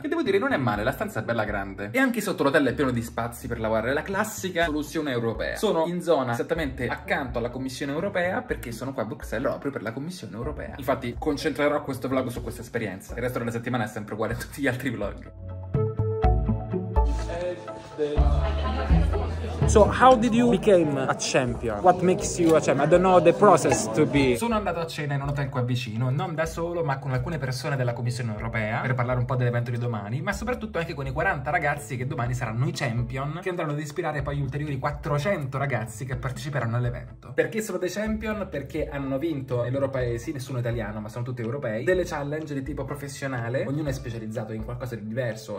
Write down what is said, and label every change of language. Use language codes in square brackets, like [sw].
[it] E devo dire, non è male, la stanza è bella grande. E anche sotto l'hotel è pieno di spazi per lavorare, la classica soluzione europea. Sono in zona esattamente accanto alla Commissione Europea perché sono qua a Bruxelles proprio per la Commissione Europea. Infatti concentrerò questo vlog su questa esperienza. Il resto della settimana è sempre uguale a tutti gli altri vlog. [en] So how did you become a champion? What makes you a champion? I don't know the process to be. [it] Sono andato a cena in un hotel qua vicino, non da solo ma con alcune persone della Commissione Europea per parlare un po' dell'evento di domani, ma soprattutto anche con i 40 ragazzi che domani saranno i champion, che andranno ad ispirare poi gli ulteriori 400 ragazzi che parteciperanno all'evento. Perché sono dei champion? Perché hanno vinto nei loro paesi, nessuno italiano ma sono tutti europei, delle challenge di tipo professionale, ognuno è specializzato in qualcosa di diverso.